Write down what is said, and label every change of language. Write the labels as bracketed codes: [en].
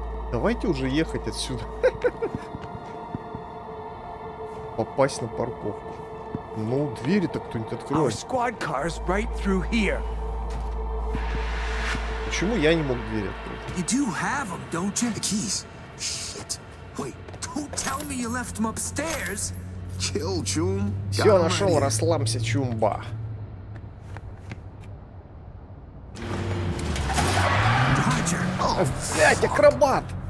[ru] Давайте уже ехать отсюда. Попасть на парковку. Ну, двери-то кто-нибудь откроет. [en] Our squad car is right through here. [ru] Почему я не мог дверь открыть? [en] You do have them, don't you? The keys. Shit. Wait, don't tell me you left them upstairs. Kill, Chum. [ru] Все, нашел, расслабься, Чумба. Блять, акробат!